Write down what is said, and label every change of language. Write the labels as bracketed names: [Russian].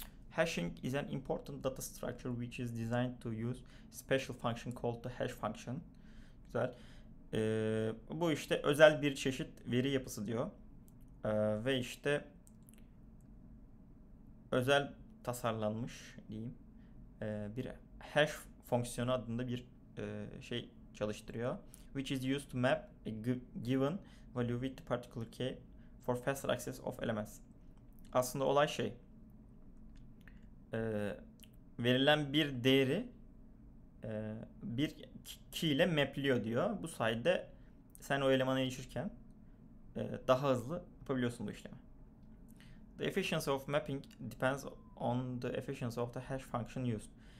[English] Hashing is an important data structure which is designed to use special function called the hash function. [Turkish] Güzel. Bu işte özel bir çeşit veri yapısı diyor. Ve işte özel tasarlanmış diyeyim. Bir hash fonksiyonu adında bir şey çalıştırıyor. [English] Which is used to map a given value with the particular key for faster access of elements. [Turkish] Aslında olay şey. Verilen bir değeri bir key ile mapliyor diyor. Bu sayede sen o elemana erişirken daha hızlı yapabiliyorsun bu işlemi. [English] The efficiency of mapping depends on the efficiency of the hash function used.